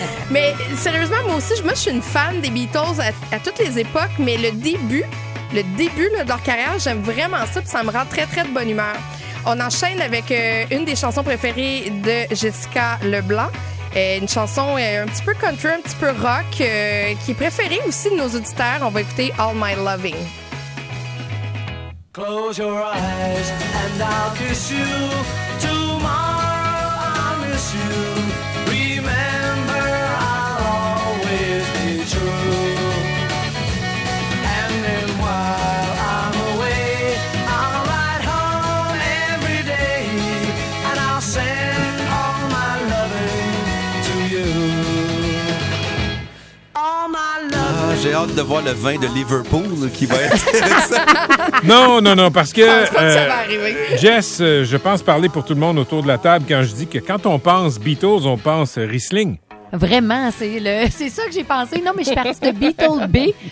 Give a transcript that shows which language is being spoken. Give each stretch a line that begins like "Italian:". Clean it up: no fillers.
French: Mais sérieusement, moi aussi, je suis une fan des Beatles à toutes les époques, mais le début là, de leur carrière, j'aime vraiment ça, puis ça me rend très, très de bonne humeur. On enchaîne avec une des chansons préférées de Jessica Leblanc. Une chanson un petit peu country, un petit peu rock, qui est préférée aussi de nos auditeurs. On va écouter All My Loving.
English: Close your eyes and I'll kiss you. Tomorrow I'll miss you. Remember, I'll always be true. And then while I'm away, I'll write home every day. And I'll send all my loving to you. All my loving.
French: Ah, j'ai hâte de voir le vin de Liverpool qui va être ça. Non, parce que... Je pense pas que ça va arriver. Jess, je pense parler pour tout le monde autour de la table quand je dis que quand on pense Beatles, on pense Riesling. Vraiment, c'est ça que j'ai pensé. Non, mais je suis partie de Beatles B.